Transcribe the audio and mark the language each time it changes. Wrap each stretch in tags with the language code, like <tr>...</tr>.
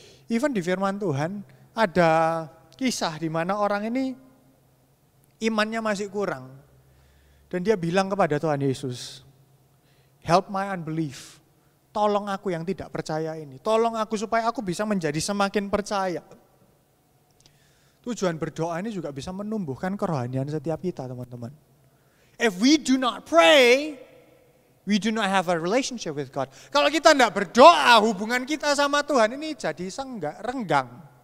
<en>Even</en> <id>di firman Tuhan ada kisah di mana orang ini imannya masih kurang. Dan dia bilang kepada Tuhan Yesus,</id> <en>help my unbelief.</en> <id>tolong aku yang tidak percaya ini. Tolong aku supaya aku bisa menjadi semakin percaya. Tujuan berdoa ini juga bisa menumbuhkan kerohanian setiap kita, teman-teman.</id> <en>If we do not pray, we do not have a relationship with God.</en> <id>Kalau kita tidak berdoa, hubungan kita sama Tuhan ini jadi senggak, renggang.</id>